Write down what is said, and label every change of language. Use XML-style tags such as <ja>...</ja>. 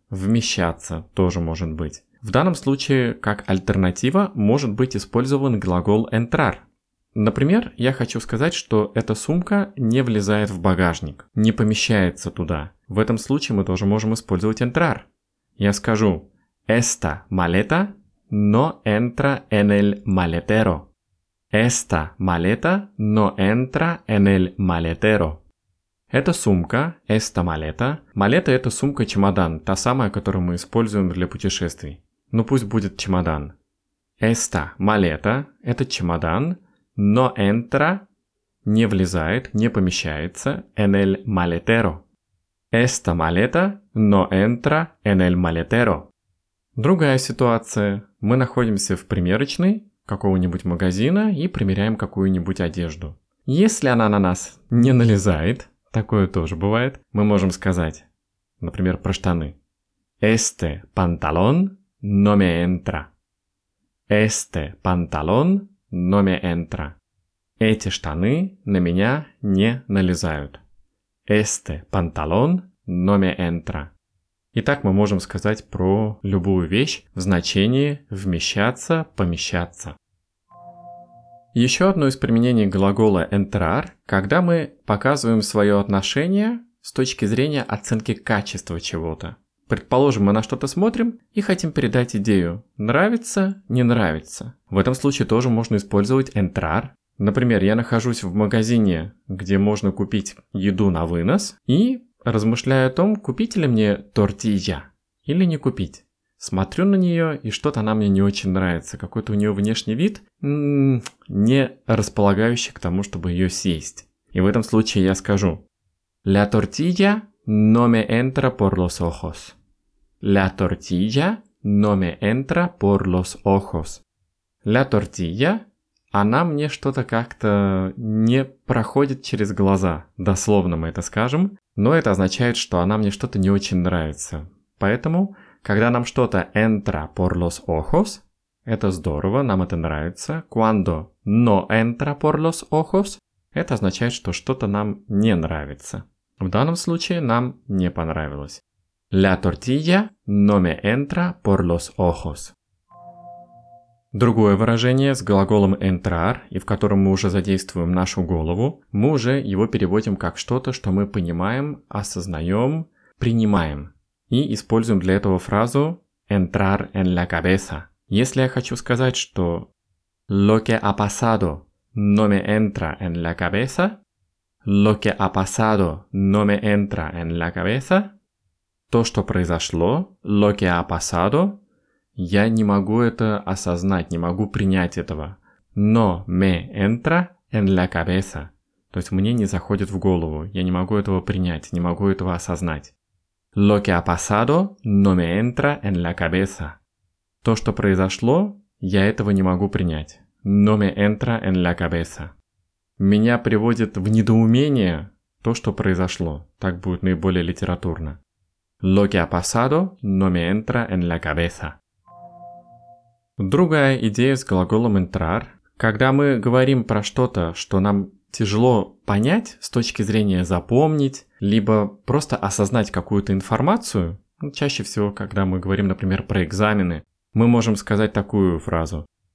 <ru>Вмещаться тоже может быть. В данном случае, как альтернатива, может быть использован глагол entrar. Например, я хочу сказать, что эта сумка не влезает в багажник, не помещается туда. В этом случае мы тоже можем использовать entrar.</ru> <es>Я скажу «Esta maleta no entra en el maletero». «Esta maleta no entra en el maletero».</es> <ru>Это сумка, «esta maleta». Малета — это сумка-чемодан, та самая, которую мы используем для путешествий. Ну пусть будет чемодан.</ru> <es>Esta maleta – это чемодан, no entra – не влезает, не помещается, en el maletero. Esta maleta no entra en el maletero.</es> <ru>Другая ситуация. Мы находимся в примерочной какого-нибудь магазина и примеряем какую-нибудь одежду. Если она на нас не налезает, такое тоже бывает, мы можем сказать, например, про штаны.</ru> <es>Este pantalón no me entra. Este pantalón no me entra.</es> <ru>Эти штаны на меня не налезают.</ru> <es>Este pantalón no me entra.</es> <ru>Итак, мы можем сказать про любую вещь в значении вмещаться, помещаться. Еще одно из применений глагола entrar, когда мы показываем свое отношение с точки зрения оценки качества чего-то. Предположим, мы на что-то смотрим и хотим передать идею. Нравится, не нравится. В этом случае тоже можно использовать entrar. Например, я нахожусь в магазине, где можно купить еду на вынос, и размышляю о том, купить ли мне тортилья или не купить. Смотрю на нее, и что-то она мне не очень нравится. Какой-то у нее внешний вид, не располагающий к тому, чтобы ее съесть.</ru> <es>И в этом случае я скажу «La tortilla no me entra por los ojos». La tortilla no me entra por los ojos.</es> <ru>La tortilla, она мне что-то как-то не проходит через глаза. Дословно мы это скажем. Но это означает, что она мне что-то не очень нравится. Поэтому, когда нам что-то entra por los ojos, это здорово, нам это нравится. Cuando no entra por los ojos, это означает, что что-то нам не нравится. В данном случае нам не понравилось.</ru> <es>La tortilla no me entra por los ojos.</es> <ru>Другое выражение с глаголом entrar, и в котором мы уже задействуем нашу голову, мы уже его переводим как что-то, что мы понимаем, осознаем, принимаем. И используем для этого фразу entrar en la cabeza.</ru> <es>Если я хочу сказать, что lo que ha pasado no me entra en la cabeza, lo que ha pasado no me entra en la cabeza.</es> <ru>То, что произошло, lo que ha pasado, я не могу это осознать, не могу принять этого.</ru> <es>No me entra en la cabeza.</es> <ru>То есть мне не заходит в голову. Я не могу этого принять, не могу этого осознать. Lo que ha pasado no me entra en la cabeza. То, что произошло, я этого не могу принять.</ru> <es>No me entra en la cabeza.</es> <ru>Меня приводит в недоумение то, что произошло. Так будет наиболее литературно.</ru> <es>Lo que ha pasado no me entra en la cabeza.</es> <ru>Другая идея с глаголом entrar. Когда мы говорим про что-то, что нам тяжело понять с точки зрения запомнить, либо просто осознать какую-то информацию, чаще всего, когда мы говорим, например, про экзамены, мы можем сказать такую фразу.</ru>